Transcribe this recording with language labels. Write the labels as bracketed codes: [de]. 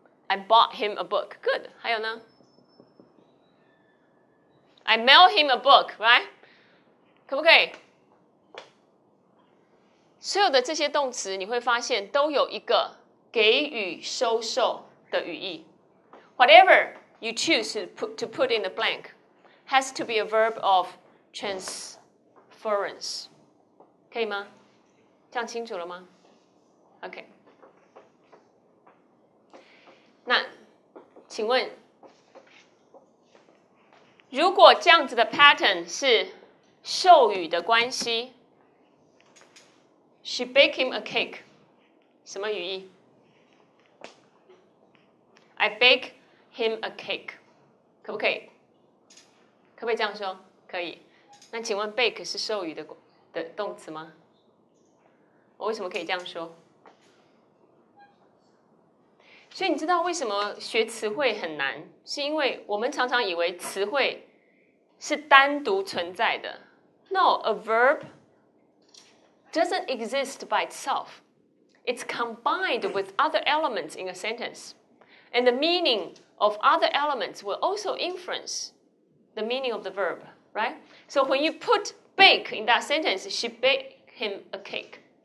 [en] I bought him a book. Good. [zh] 还有呢 [en] ？I mail him a book, right? [zh] 可不可以？所有的这些动词，你会发现都有一个给予、收受的语义。 [en] Whatever you choose to put in the blank has to be a verb of transference. [zh] 可以吗？这样清楚了吗 ？OK。那请问如果这样子的 pattern 是授予的关系 [en] She baked him a cake [zh] 什么语义 [en] I baked him a cake [zh] 可不可以可不可以这样说可以那请问 bake 是授予 的动词吗我为什么可以这样说所以你知道为什么学词汇很难？是因为我们常常以为词汇是单独存在的。 [en] No, a verb doesn't exist by itself. It's combined with other elements in a sentence. And the meaning of other elements will also influence the meaning of the verb, right? So when you put bake in that sentence, she baked him a cake.